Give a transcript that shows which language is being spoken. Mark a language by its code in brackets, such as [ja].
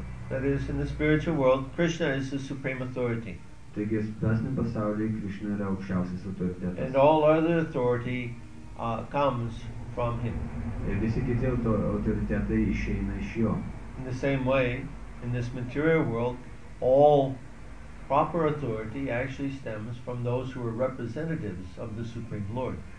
[en] That is, in the spiritual world, Krishna is the supreme authority. [lt] Taigi, dvasiniam pasaulyje Krishna yra aukščiausias autoritetas. [en] And all other authority comes from him. [lt] Ir visi kiti autoritetai išeina iš jo. [en] In the same way, in this material world, all proper authority actually stems from those who are representatives of the supreme Lord.